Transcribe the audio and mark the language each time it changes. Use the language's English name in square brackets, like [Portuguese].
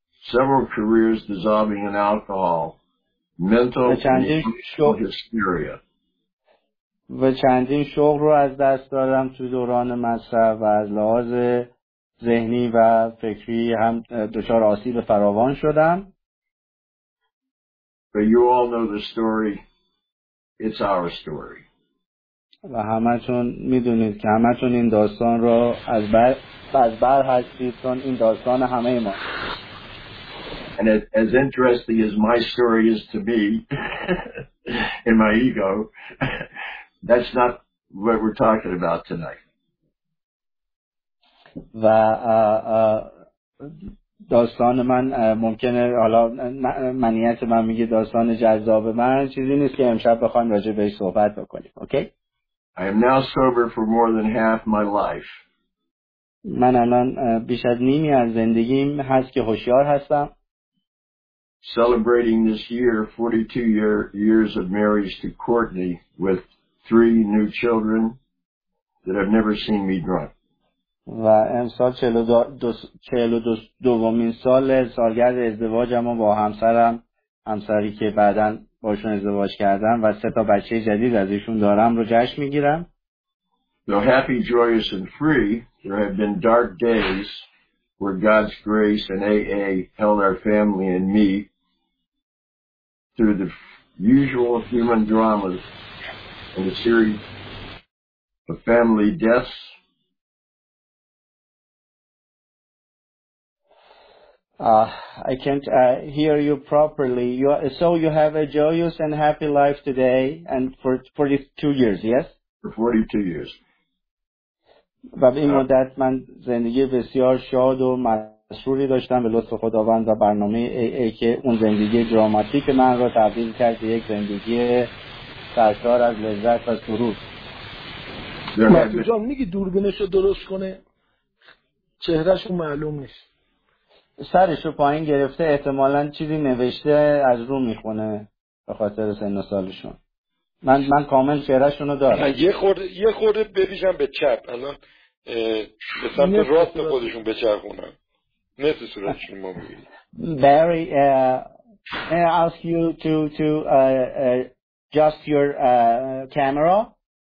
[English] several careers dissolving in alcohol, mental and emotional hysteria. [Persian] و چندین شغل رو از دست دادم تو دوران مصرف و از لحاظ ذهنی و فکری هم دچار آسیب فراوان شدم. [English] But you all know the story. It's our story. [Persian] و همتون میدونید که همتون این داستان رو از بر هستید چون این داستان همه ما. [English] And as interesting as my story is to be in my ego, that's not what we're talking about tonight. [Persian] و داستان من ممکنه حالا منیت من میگه داستان جذاب من چیزی نیست که امشب بخوایم راجع بهش صحبت بکنیم. اوکی؟ [English] I am now sober for more than half my life. [Persian] من الان بیش از نیمی از زندگیم هست که هوشیار هستم. [English] Celebrating this year 42 years of marriage to Courtney with three new children that have never seen me drunk. [Persian] و امسال 42 دومین سال سالگرد ازدواجم با همسرم، همسری که بعداً باشون ازدواج کردم و سه تا بچه جدید از ایشون دارم رو جشن میگیرم. [English] So happy, joyous and free, there have been dark days where God's grace and AA held our family and me through the usual human dramas and a series of family deaths. I can't hear you properly. You have a joyous and happy life today and for 42 years, yes? For 42 years. [Persian] و به این مدت من زندگی بسیار شاد و مسروری داشتم به لطف خداوند و برنامه AA که اون زندگی دراماتیک من را تبدیل کرد به یک زندگی سرشار از لذت و سرور. مرد جام میگی دوربینش رو درست کنه، چهرش رو معلوم نیست، سرش رو پایین گرفته، احتمالا چیزی نوشته از رو میخونه به خاطر سن و سالشون. من کامل چهرهشونو دارم. یه خورده ببیشم به چپ الان، به سمت راست خودشون بچرخونم. نصف صورتشون ما بگیریم. [English] Barry, may I ask you to adjust your camera?